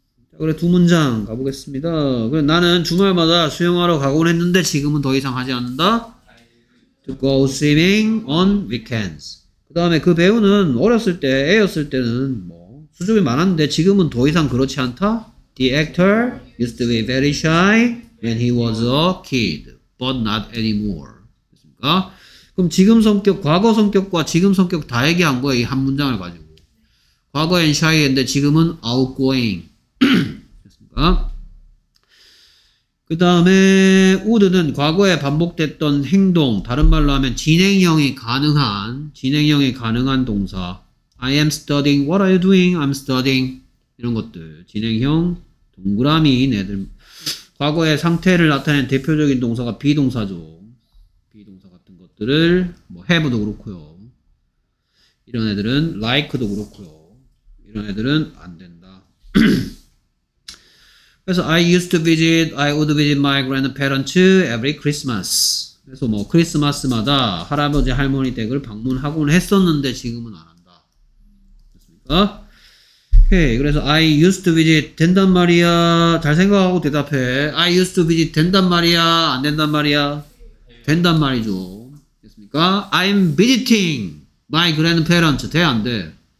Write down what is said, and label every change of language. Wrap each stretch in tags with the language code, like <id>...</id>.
<ko>자, 그래 두 문장 가보겠습니다. 그래, 나는 주말마다 수영하러 가곤 했는데 지금은 더 이상 하지 않는다.</ko> <en>To go swimming on weekends.</en> <ko>그 다음에 그 배우는 어렸을 때, 애였을 때는 뭐 수줍음이 많았는데 지금은 더 이상 그렇지 않다.</ko> <en>The actor used to be very shy when he was a kid, but not anymore.</en> <ko>됐습니까? 그럼 지금 성격, 과거 성격과 지금 성격 다 얘기한 거예요. 이 한 문장을 가지고. 과거엔 shy인데 지금은 outgoing. 됐습니까? 그 다음에 would는 과거에 반복됐던 행동, 다른 말로 하면 진행형이 가능한 동사.</ko> <en>I am studying. What are you doing? I'm studying.</en> <ko>이런 것들. 진행형, 동그라미인 애들. 과거의 상태를 나타낸 대표적인 동사가 비동사죠. 비동사 같은 것들을 뭐 have도 그렇고요. 이런 애들은 like도 그렇고요. 이런 애들은 안 된다. 그래서</ko> <en>I would visit my grandparents every Christmas.</en> <ko>그래서 뭐 크리스마스마다 할아버지 할머니 댁을 방문하곤 했었는데 지금은 안 한다. 됐습니까? 오케이. 그래서</ko> <en>I used to visit</en> <ko>된단 말이야. 잘 생각하고 대답해.</ko> <en>I used to visit</en> <ko>된단 말이야. 안 된단 말이야. 된단 말이죠. 됐습니까?</ko> <en>I'm visiting my grandparents.</en> <ko>돼 안 돼?</ko>